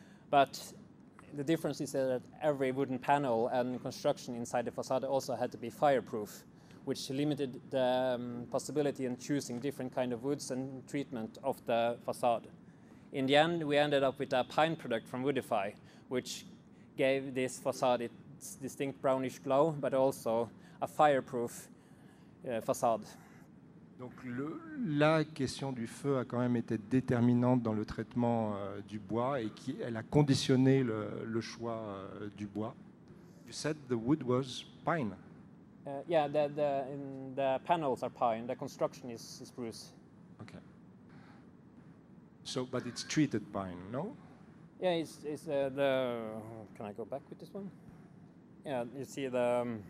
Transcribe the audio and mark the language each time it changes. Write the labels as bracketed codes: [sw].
[en] But the difference is that every wooden panel and construction inside the facade also had to be fireproof, which limited the possibility in choosing different kind of woods and treatment of the facade. In the end, we ended up with a pine product from Woodify, which gave this facade its distinct brownish glow, but also a fireproof facade. [fr] Donc la question du feu a quand même été déterminante dans le traitement du bois et elle a conditionné le choix du bois. [en] You said the wood was pine. The panels are pine. The construction is spruce. Okay. So, but it's treated pine, no? Yeah, it's the. Can I go back with this one? Yeah, you see the.